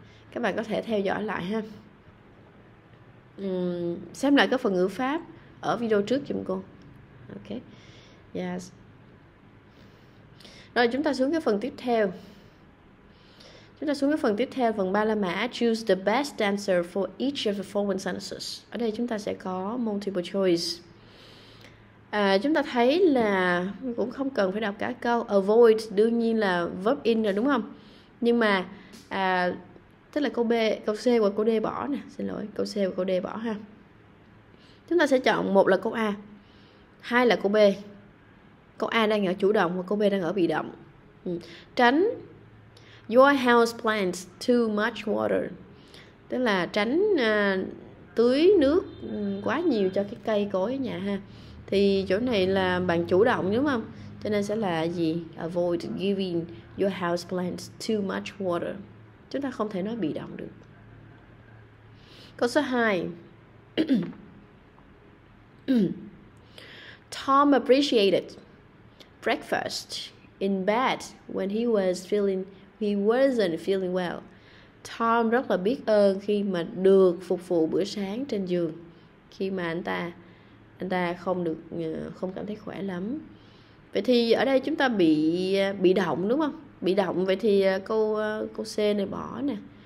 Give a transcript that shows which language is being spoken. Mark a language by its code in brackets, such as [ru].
[vi] Các bạn có thể theo dõi lại ha. Xem lại cái phần ngữ pháp ở video trước giùm cô. Ok, yes. Rồi chúng ta xuống cái phần tiếp theo. Chúng ta xuống cái phần tiếp theo, phần ba la mã. [en] Choose the best answer for each of the following sentences. [vi] Ở đây chúng ta sẽ có multiple choice. Chúng ta thấy là cũng không cần phải đọc cả câu. Avoid đương nhiên là verb in rồi đúng không? Nhưng mà tức là câu B, câu C và câu D bỏ nè. Xin lỗi, câu C và câu D bỏ ha. Chúng ta sẽ chọn một là câu A, hai là câu B. Câu A đang ở chủ động và câu B đang ở bị động. Tránh [en] your house plants too much water, [vi] tức là tránh tưới nước quá nhiều cho cái cây cối ở nhà ha. Thì chỗ này là bạn chủ động đúng không? Cho nên sẽ là gì? [en] Avoid giving your house plants too much water. [vi] Chúng ta không thể nói bị động được. Câu số 2. [en] Tom appreciated breakfast in bed when he wasn't feeling well. [vi] Tom rất là biết ơn khi mà được phục vụ bữa sáng trên giường khi mà anh ta không được, không cảm thấy khỏe lắm. Vậy thì ở đây chúng ta bị động đúng không? Bị động, vậy thì câu C này bỏ nè.